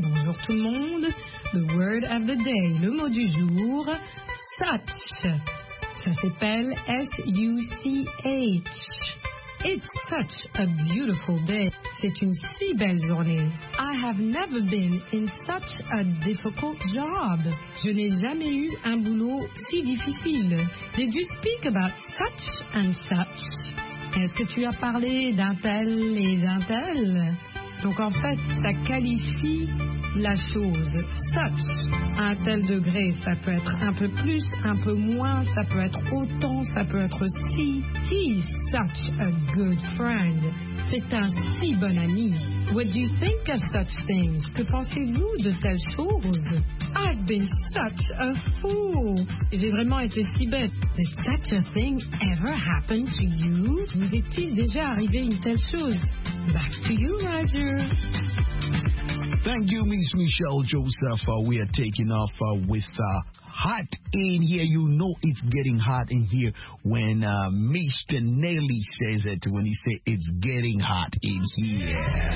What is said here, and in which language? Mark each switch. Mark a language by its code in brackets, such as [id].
[fr] Bonjour, tout le monde. [en] The word of the day, [fr] le mot du jour, such. Ça s'appelle S-U-C-H. [en] It's such a beautiful day. [fr] C'est une si belle journée. [en] I have never been in such a difficult job. [fr] Je n'ai jamais eu un boulot si difficile. [en] Did you speak about such and such? [fr] Est-ce que tu as parlé d'un tel et d'un tel? Donc en fait, ça qualifie la chose. Such, à un tel degré, ça peut être un peu plus, un peu moins, ça peut être autant, ça peut être si. [en] He's such a good friend. [fr] C'est un si bon ami. [en] What do you think of such things? [fr] Que pensez-vous de telles choses? [en] I've been such a fool. [fr] J'ai vraiment été si bête. [en] Did such a thing ever happen to you? [fr] Vous est-il déjà arrivé une telle chose? [en] Back to you, Roger. Thank you, Miss Michelle Joseph. We are taking off with hot in here. You know it's getting hot in here when Mr. Nelly says it, when he says it's getting hot in here.